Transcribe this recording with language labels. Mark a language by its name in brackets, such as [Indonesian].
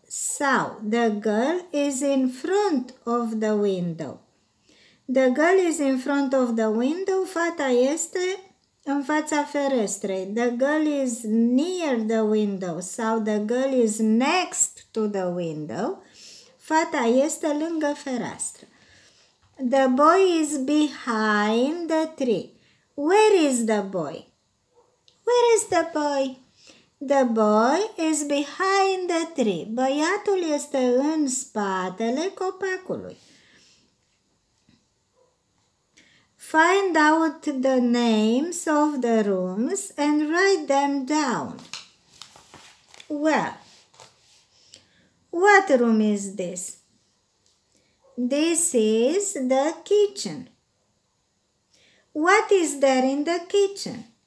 [Romanian] Sau, [English] the girl is in front of the window. The girl is in front of the window. [Romanian] Fata este în fața ferestrei. [English] The girl is near the window. [Romanian] Sau, [English] the girl is next to the window. [Romanian] Fata este lângă fereastră. [English] The boy is behind the tree. Where is the boy? Where is the boy? The boy is behind the tree. [Romanian] Băiatul este în spatele copacului. [English] Find out the names of the rooms and write them down. Well, what room is this? This is the kitchen. What is there in the kitchen?